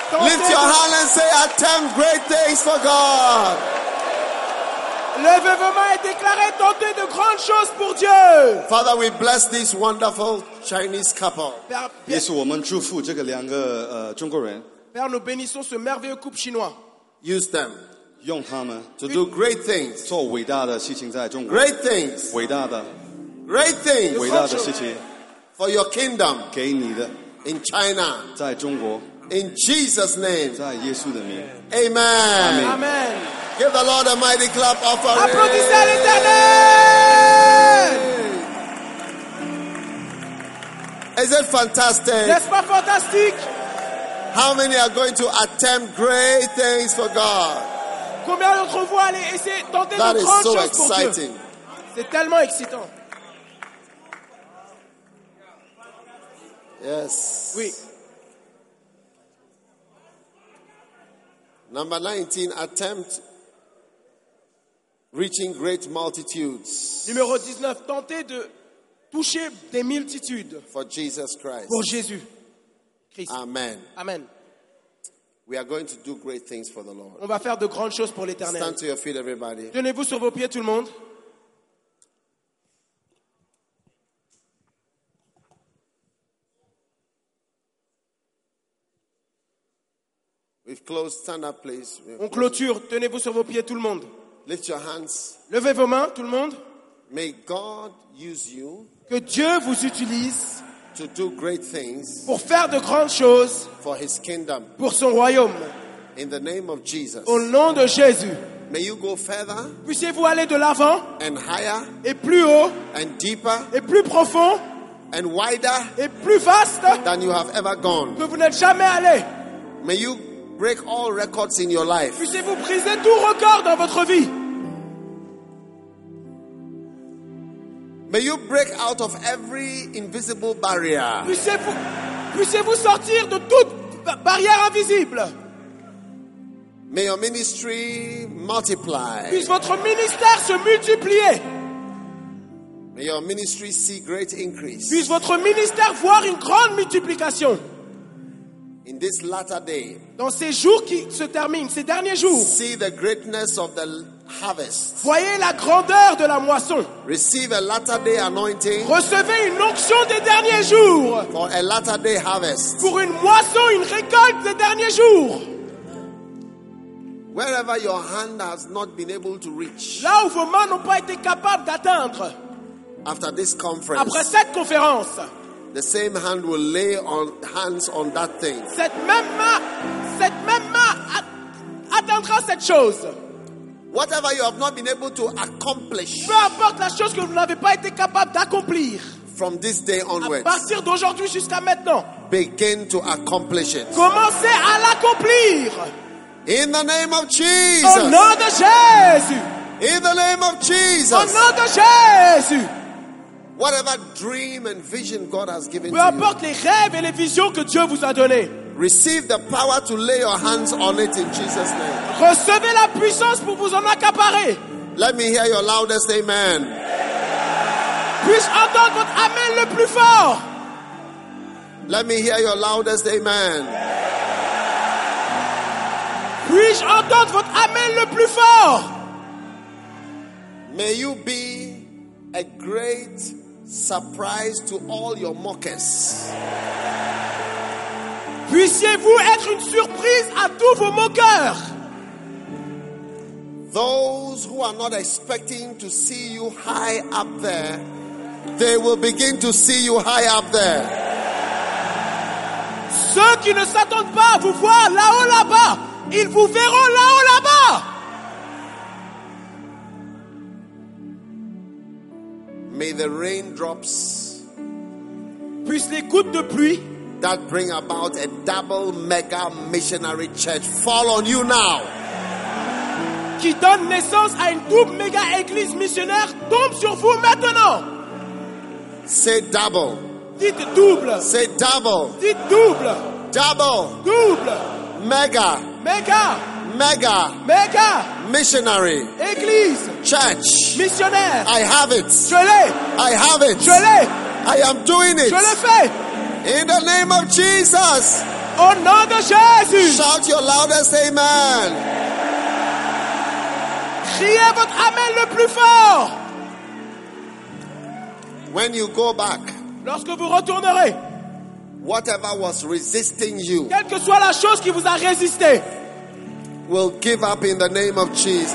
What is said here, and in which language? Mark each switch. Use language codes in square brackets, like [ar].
[en] Lift your hand and say, attempt great things for God. [fr] Levez vos mains et déclarez tenter de grandes choses pour Dieu. [en] Father, we bless this wonderful Chinese couple. [zh] Yes, 我们祝福这个两个, 中国人. [fr] Père, nous bénissons ce merveilleux couple chinois. [en] Use them. [zh] 用他们 [en] to do great things. [zh] 做伟大的事情在中国. [en] Great things. [zh] 伟大的. [en] Great things. [zh] 伟大的事情. [en] For your kingdom. [zh] 给你的. [en] In China. [zh] 在中国. [en] In Jesus' name. [zh] 在耶稣的名. [en] Amen. Amen. Amen. Give the Lord a mighty clap of our hands. [fr] Applaudissez l'Éternel. [en] Is it fantastic? [fr] N'est-ce pas fantastique? [en] How many are going to attempt great things for God? [fr] Combien d'entre vous allez essayer tenter de grandes choses pour Dieu? [en] That is so exciting. [fr] C'est tellement excitant. [en] Yes. [fr] Oui. [en] Number 19, attempt reaching great multitudes. [fr] Numéro 19, tenter de toucher des multitudes. [en] For Jesus Christ. [fr] Pour Jésus Christ. [en] Amen. [fr] Amen. [en] We are going to do great things for the Lord. [fr] On va faire de grandes choses pour l'Éternel. [en] Stand to your feet, everybody. [fr] Tenez-vous sur vos pieds, tout le monde. [en] We've closed. Stand up, please. [fr] On clôture. Tenez-vous sur vos pieds, tout le monde. [en] Lift your hands. [fr] Levez vos mains, tout le monde. [en] May God use you. [fr] Que Dieu vous utilise. [en] To do great things. [fr] Pour faire de grandes choses. [en] For His kingdom. [fr] Pour son royaume. [en] In the name of Jesus. [fr] Au nom de Jésus. [en] May you go further. [fr] Puissiez-vous aller de l'avant. [en] And higher. [fr] Et plus haut. [en] And deeper. [fr] Et plus profond. [en] And wider. [fr] Et plus vaste. [en] Than you have ever gone. [fr] Que vous n'êtes jamais allé. [en] May you break all records in your life. [fr] Puissiez-vous briser tout record dans votre vie. [en] May you break out of every invisible barrier. [fr] Puissiez-vous sortir de toute barrière invisible. [en] May your ministry multiply. [fr] Puisse votre ministère se multiplier. [en] May your ministry see great increase. [fr] Puisse votre ministère voir une grande multiplication. [en] In this latter day, [fr] dans ces jours qui se terminent, ces derniers jours, [en] see the greatness of the harvest. [fr] Voyez la grandeur de la moisson. [en] Receive a latter day anointing. [fr] Recevez une onction des derniers jours. [en] For a latter day harvest. [fr] Pour une moisson, une récolte des derniers jours. [en] Wherever your hand has not been able to reach. [fr] Là où vos mains n'ont pas été capables d'atteindre. [en] After this conference. [fr] Après cette conférence. [en] The same hand will lay on hands on that thing. [fr] Cette même main atteindra cette chose. [en] Whatever you have not been able to accomplish. [fr] Peu importe la chose que vous n'avez pas été capable d'accomplir. [en] From this day onwards. [fr] À partir d'aujourd'hui jusqu'à maintenant. [en] Begin to accomplish it. [fr] Commencez à l'accomplir. [en] In the name of Jesus. [fr] Au nom de Jésus. [en] In the name of Jesus. [fr] Au nom de Jésus. [en] Whatever dream and vision God has given [fr] you. Peu importe les rêves et les visions que Dieu vous a donné. [en] Receive the power to lay your hands on it in Jesus' name. [fr] Recevez la puissance pour vous en accaparer. [en] Let me hear your loudest amen. Amen. [fr] Puisse entendre votre amen le plus fort. [en] Let me hear your loudest amen. Amen. [fr] Puisse entendre votre amen le plus fort. [en] May you be a great surprise to all your mockers. [fr] Puissiez-vous être une surprise à tous vos moqueurs. [en] Those who are not expecting to see you high up there, they will begin to see you high up there. [fr] Ceux qui ne s'attendent pas à vous voir là-haut là-bas, ils vous verront là-haut là-bas. [en] May the raindrops, [fr] puisse les gouttes de pluie, [en] that bring about a double mega missionary church, fall on you now. [fr] Qui donne naissance à une double méga église missionnaire tombe sur vous maintenant. [en] Say double. [fr] Dites double. [en] Say double. [fr] Dites double. [en] Double. [fr] Double. [en] Mega. [fr] Mega. [en] Mega. [fr] Mega. [en] Missionary. [fr] Église. [en] Church. [fr] Missionnaire. [en] I have it. [fr] Je l'ai. [en] I have it. [fr] Je l'ai. [en] I am doing it. [fr] Je le fais. [en] In the name of Jesus. [fr] Au nom de Jésus. [en] Shout your loudest amen. [fr] Criez votre amen le plus fort. [en] When you go back, [fr] lorsque vous retournerez, [en] whatever was resisting you, [fr] quelle que soit la chose qui vous a résisté, [en] will give up in the name of Jesus.